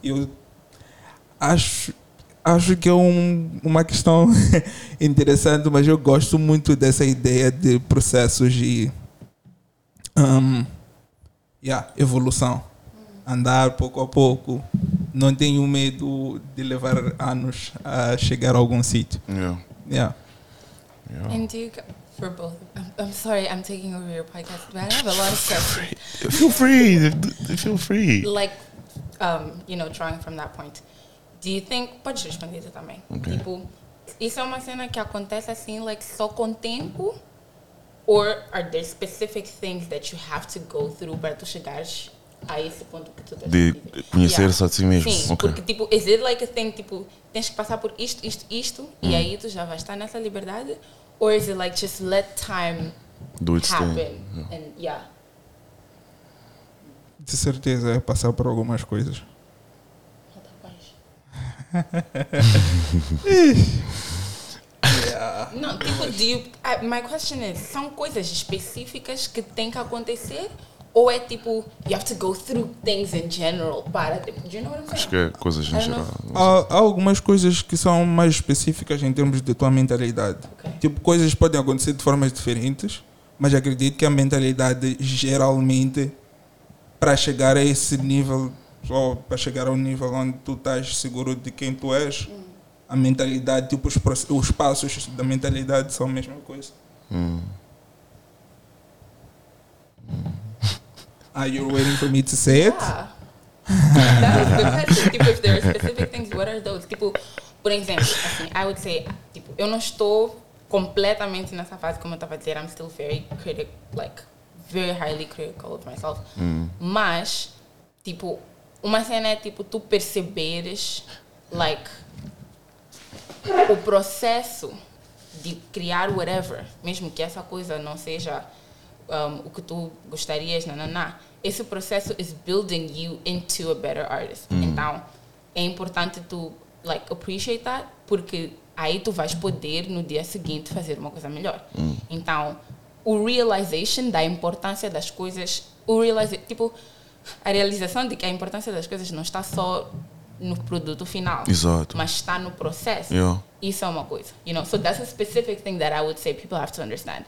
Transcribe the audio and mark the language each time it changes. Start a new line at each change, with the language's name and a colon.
Portuguese: Eu acho que é uma questão interessante, mas eu gosto muito dessa ideia de processos e evolução. Andar pouco a pouco. Não tenho medo de levar anos a chegar a algum sítio.
English: Yeah. And do you go for both? I'm sorry, I'm taking over your podcast, but I have a lot of stuff. Feel free. Like, you know, drawing from that point. Do you think...
Portuguese: Podes responder isso também.
English: Okay.
Portuguese: Tipo, isso é uma cena que acontece assim, like, só com tempo?
English: Or are there specific things that you have to go through
Portuguese: para tu chegares... a esse ponto que tu tens de conhecer só de si mesmo. Sim,
English: okay.
Portuguese: Porque tipo,
English: is it like a thing,
Portuguese: tipo, tens que passar por isto e aí tu já vais estar nessa liberdade?
English: Or is it like just let time do its happen thing. And yeah.
Portuguese: De certeza é passar por algumas coisas. Não, tipo,
English: my question is,
Portuguese: são coisas específicas que têm que acontecer? Ou é tipo,
English: you have to go through things in general
Portuguese: para...
English: Do you know what I'm saying?
Portuguese: Acho que é coisas em geral. Há algumas coisas que são mais específicas em termos de tua mentalidade.
English: Okay.
Portuguese: Tipo, coisas podem acontecer de formas diferentes, mas acredito que a mentalidade geralmente, para chegar a esse nível, ou para chegar a um nível onde tu estás seguro de quem tu és, a mentalidade, tipo, os passos da mentalidade são a mesma coisa.
English: Are you waiting for me to say it? Yeah. That's the question. Tipo, if there are specific things, what are those?
Portuguese: Tipo, por exemplo, assim,
English: I would say,
Portuguese: tipo, eu não estou completamente nessa fase, como eu estava a dizer,
English: I'm still very critical, like, very highly critical of myself.
Portuguese: Mas, tipo, uma cena é tipo tu perceberes, like, o processo de criar whatever, mesmo que essa coisa não seja o que tu gostarias, nananá. Esse processo
English: is building you into a better artist.
Portuguese: Mm. Então, é importante tu, like,
English: appreciate that,
Portuguese: porque aí tu vais poder, no dia seguinte, fazer uma coisa melhor. Mm. Então, o realization da importância das coisas, o tipo, a realização de que a importância das coisas não está só no produto final. Exato. Mas está no processo.
English: Yeah.
Portuguese: Isso é uma coisa.
English: You know, so that's a specific thing that I would say people have to understand.